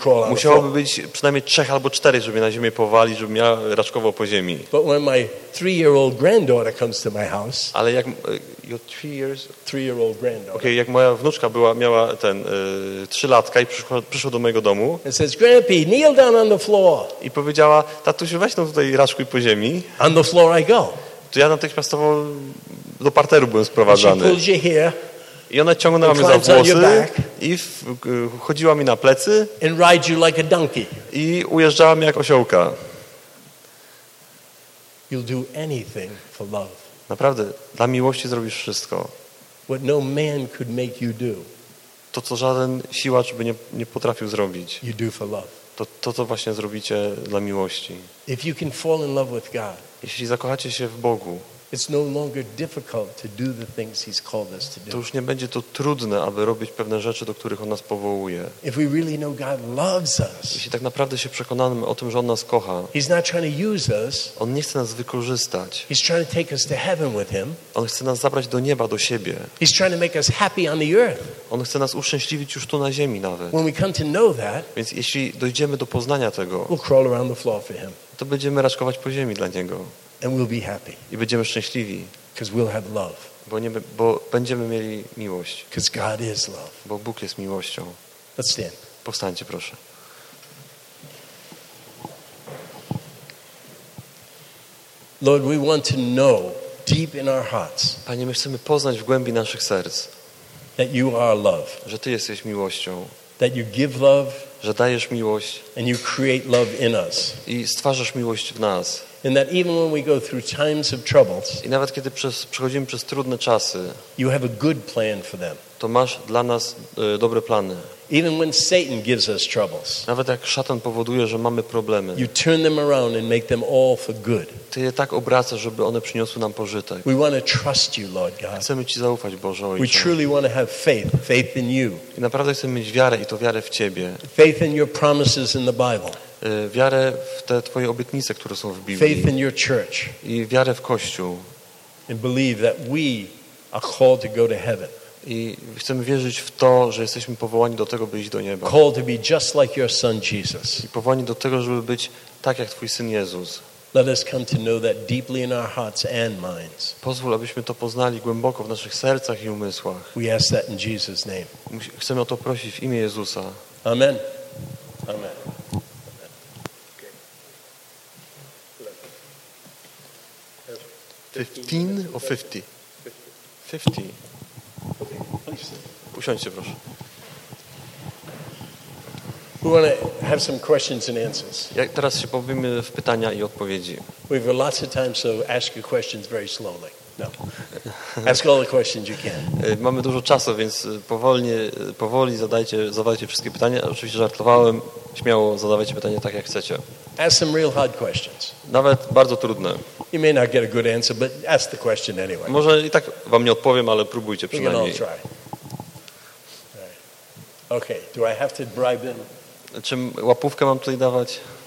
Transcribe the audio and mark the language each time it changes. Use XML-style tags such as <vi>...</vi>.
<pl>Musiałoby być przynajmniej 3 albo 4, żeby mnie na ziemię powalić, żebym ja raczkowo po ziemi.</pl> <en>But when my 3-year-old granddaughter comes to my house.</en> <pl>Ale jak</pl> <en>your 3 years, 3-year-old granddaughter.</en> <pl>Okej, okay, jak moja wnuczka była miała ten 3-latka i przyszła do mojego domu.</pl> <en>And says, "Grampy, kneel down on the floor."</en> <pl>I powiedziała: "Tatusiu, weź no tutaj raczkuj po ziemi."</pl> <en>On the floor I go.</en> <pl>To ja natychmiastowo do parteru byłem sprowadzany.</pl> <en>And she pulls you here,</en> <pl>i ona ciągnęła mnie za włosy i chodziła mi na plecy</pl> <en>and ride you like a donkey.</en> <pl>I ujeżdżała mnie jak osiołka.</pl> <en>You'll do anything for love.</en> <pl>Naprawdę, dla miłości zrobisz wszystko.</pl> <en>What no man could make you do.</en> <pl>To, co żaden siłacz by nie potrafił zrobić.</pl> <en>You do for love.</en> <pl>To właśnie zrobicie dla miłości.</pl> <en>If you can fall in love with God.</en> <pl>Jeśli zakochacie się w Bogu,</pl> <en>it's no longer difficult to do the things he's called us to do.</en> <pl>To już nie będzie to trudne, aby robić pewne rzeczy, do których on nas powołuje.</pl> <en>If we really know God loves us.</en> <pl>Jeśli tak naprawdę się przekonamy o tym, że on nas kocha.</pl> <en>He's not trying to use us.</en> <pl>On nie chce nas wykorzystać.</pl> <en>He's trying to take us to heaven with him.</en> <pl>On chce nas zabrać do nieba, do siebie.</pl> <en>He's trying to make us happy on the earth.</en> <pl>On chce nas uszczęśliwić już tu na ziemi nawet.</pl> <en>When we come to know that.</en> <pl>Więc jeśli dojdziemy do poznania tego.</pl> <en>We'll crawl around the floor for him.</en> <pl>To będziemy raczkować po ziemi dla niego.</pl> <en>And we'll be happy.</en> <pl>I będziemy szczęśliwi.</pl> <en>Because we'll have love.</en> <pl>Bo będziemy mieli miłość.</pl> <en>Because God is love.</en> <pl>Bo Bóg jest miłością.</pl> <en>Let's stand.</en> <pl>Powstańcie, proszę.</pl> <en>Lord, we want to know deep in our hearts.</en> <pl>Panie, my chcemy poznać w głębi naszych serc.</pl> <en>That you are love.</en> <pl>Że ty jesteś miłością.</pl> <en>That you give love.</en> <pl>Że dajesz miłość.</pl> <en>And you create love in us.</en> <pl>I stwarzasz miłość w nas.</pl> <en>And that even when we go through times of troubles,</en> <pl>i nawet kiedy przechodzimy przez trudne czasy,</pl> <en>you have a good plan for them.</en> <pl>To masz dla nas dobre plany.</pl> <en>Even when Satan gives us troubles,</en> <pl>nawet jak szatan powoduje, że mamy problemy,</pl> <en>you turn them around and make them all for good.</en> <pl>Ty je tak obracasz, żeby one przyniosły nam pożytek.</pl> <en>We want to trust you, Lord God.</en> <pl>Chcemy ci zaufać, Boże Ojcze.</pl> <en>We truly want to have faith, faith in you.</en> <pl>I naprawdę chcemy mieć wiarę, i to wiarę w ciebie.</pl> <en>Faith in your promises in the Bible.</en> <pl>Wiarę w te Twoje obietnice, które są w Biblii.</pl> <en>Faith in your church.</en> <pl>I wiarę w Kościół.</pl> <en>And believe that we are called to go to heaven.</en> <pl>I chcemy wierzyć w to, że jesteśmy powołani do tego, by iść do nieba.</pl> <en>Called to be just like your son Jesus.</en> <pl>I powołani do tego, żeby być tak jak Twój Syn Jezus.</pl> <en>Let us come to know that deeply in our hearts and minds.</en> <pl>Pozwól, abyśmy to poznali głęboko w naszych sercach i umysłach.</pl> <en>We ask that in Jesus' name.</en> <pl>Chcemy o to prosić w imię Jezusa.</pl> <en>Amen. Amen. Fifteen or 50? 50. Okay,</en> <pl>usiądźcie, proszę.</pl> <en>We want to have some questions and answers.</en> <pl>Jak teraz się pobawimy w pytania i odpowiedzi.</pl> <en>We have lots of time, so ask your questions very slowly. No. Ask all the questions you can.</en> <pl>Mamy dużo czasu, więc powoli zadawajcie wszystkie pytania. Oczywiście żartowałem. Śmiało zadawajcie pytania tak, jak chcecie.</pl> <en>Ask some real hard questions.</en> <pl>Nawet bardzo trudne.</pl> <en>You may not get a good answer, but ask the question anyway.</en> <pl>Może i tak wam nie odpowiem, ale próbujcie przynajmniej.</pl> <en>We can all try. Okay. Do I have to bribe them?</en> <pl>Czym łapówkę mam tutaj dawać?</pl>